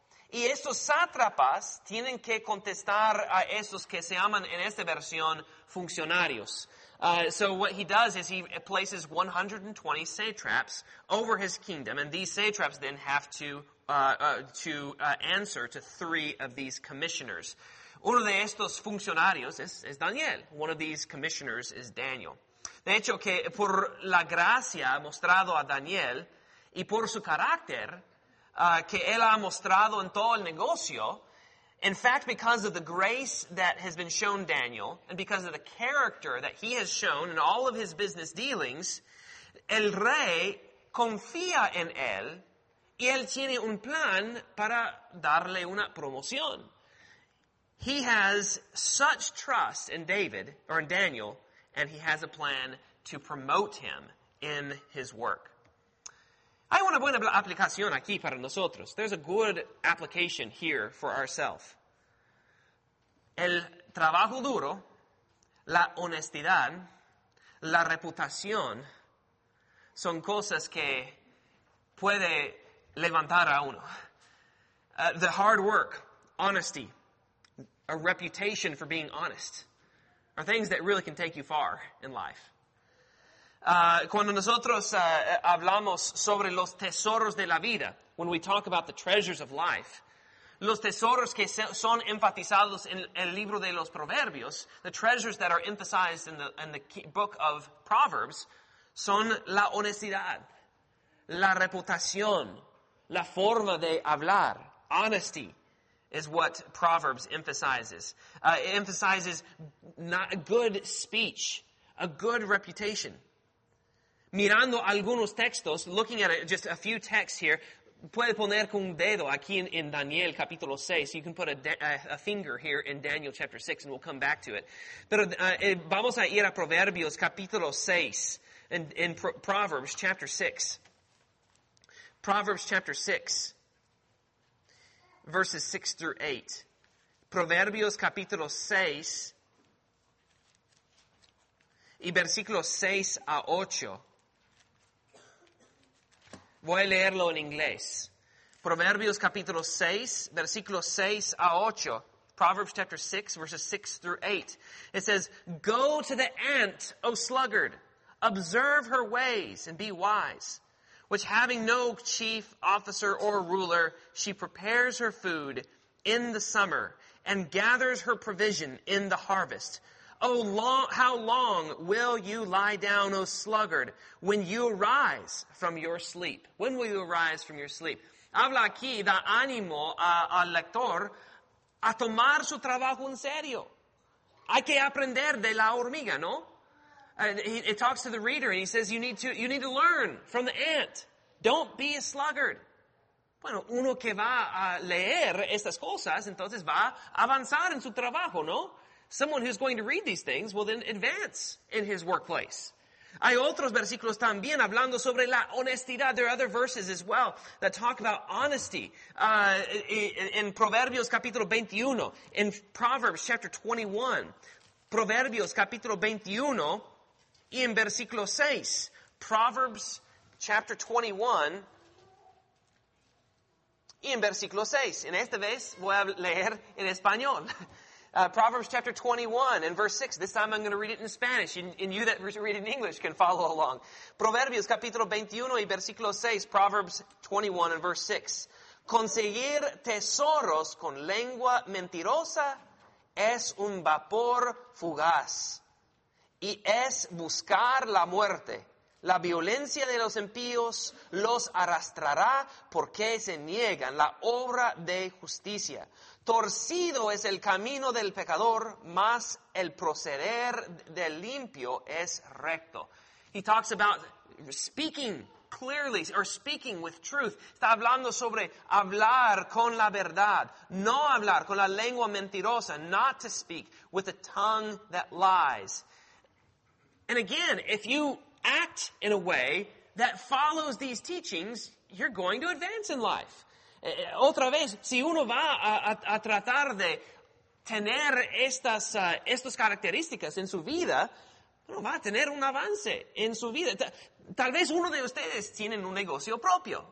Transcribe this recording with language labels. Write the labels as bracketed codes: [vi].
[es] Y estos sátrapas tienen que contestar a estos que se llaman en esta versión funcionarios. [en] So what he does is he places 120 satraps over his kingdom, and these satraps then have to answer to three of these commissioners. [es] Uno de estos funcionarios es Daniel. [en] One of these commissioners is Daniel. [es] De hecho, que por la gracia mostrado a Daniel y por su carácter, que él ha mostrado en todo el negocio. [en] In fact, because of the grace that has been shown Daniel, and because of the character that he has shown in all of his business dealings, [es] el rey confía en él, y él tiene un plan para darle una promoción. [en] He has such trust in David, or in Daniel, and he has a plan to promote him in his work. [es] Hay una buena aplicación aquí para nosotros. [en] There's a good application here for ourselves. [es] El trabajo duro, la honestidad, la reputación son cosas que puede levantar a uno. [en] The hard work, honesty, a reputation for being honest are things that really can take you far in life. [es] Cuando nosotros hablamos sobre los tesoros de la vida, [en] when we talk about the treasures of life, [es] los tesoros que son enfatizados en el libro de los Proverbios, [en] the treasures that are emphasized in the book of Proverbs, [es] son la honestidad, la reputación, la forma de hablar. [en] Honesty is what Proverbs emphasizes. It emphasizes not a good speech, a good reputation. [es] Mirando algunos textos, [en] looking at just a few texts here, [es] puede poner con un dedo aquí en Daniel capítulo 6. [en] You can put a finger here in Daniel chapter 6, and we'll come back to it. [es] Pero vamos a ir a Proverbios capítulo 6, [en] in Proverbs chapter 6. Proverbs chapter 6, verses 6 through 8. [es] Proverbios capítulo 6, y versículos 6 a 8. Voy a leerlo en inglés. Proverbios capítulo 6, versículos 6 a 8. [en] Proverbs chapter 6, verses 6 through 8. It says, go to the ant, O sluggard. Observe her ways and be wise. Which having no chief officer or ruler, she prepares her food in the summer and gathers her provision in the harvest. How long will you lie down, O sluggard, when you arise from your sleep? When will you arise from your sleep? [es] Habla aquí, da ánimo al lector a tomar su trabajo en serio. Hay que aprender de la hormiga, ¿no? [en] It talks to the reader and he says, you need to learn from the ant. Don't be a sluggard. [es] Bueno, uno que va a leer estas cosas, entonces va a avanzar en su trabajo, ¿no? [en] Someone who's going to read these things will then advance in his workplace. [es] Hay otros versículos también hablando sobre la honestidad. [en] There are other verses as well that talk about honesty. [es] In Proverbios capítulo 21, [en] in Proverbs chapter 21, [es] Proverbios capítulo 21 y en versículo 6, [en] Proverbs chapter 21 [es] y en versículo 6. En esta vez voy a leer en español. [en] Proverbs chapter 21 and verse 6. This time I'm going to read it in Spanish. And you that read in English can follow along. [es] Proverbios capítulo 21 y versículo 6. [en] Proverbs 21 and verse 6. [es] Conseguir tesoros con lengua mentirosa es un vapor fugaz. Y es buscar la muerte. La violencia de los impíos los arrastrará porque se niegan la obra de justicia. Torcido es el camino del pecador, mas el proceder del limpio es recto. [en] He talks about speaking clearly or speaking with truth. [es] Está hablando sobre hablar con la verdad. No hablar con la lengua mentirosa. [en] Not to speak with a tongue that lies. And again, if you act in a way that follows these teachings, you're going to advance in life. [es] Otra vez, si uno va a tratar de tener estas características en su vida, uno va a tener un avance en su vida. Tal vez uno de ustedes tiene un negocio propio.